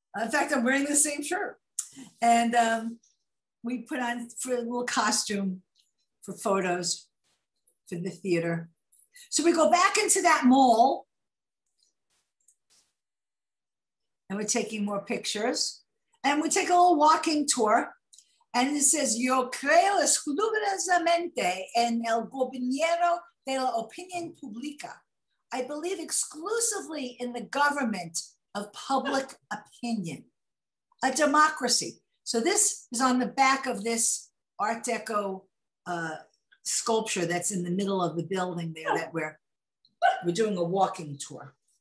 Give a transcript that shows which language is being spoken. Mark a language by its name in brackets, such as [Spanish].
[English] In fact, I'm wearing the same shirt. And we put on for a little costume for photos for the theater. So we go back into that mall. And we're taking more pictures. And we take a little walking tour. And it says, [Spanish] yo creo exclusivamente en el gobierno de la opinión pública. [English] I believe exclusively in the government of public opinion, a democracy. So this is on the back of this Art Deco sculpture that's in the middle of the building there that we're doing a walking tour.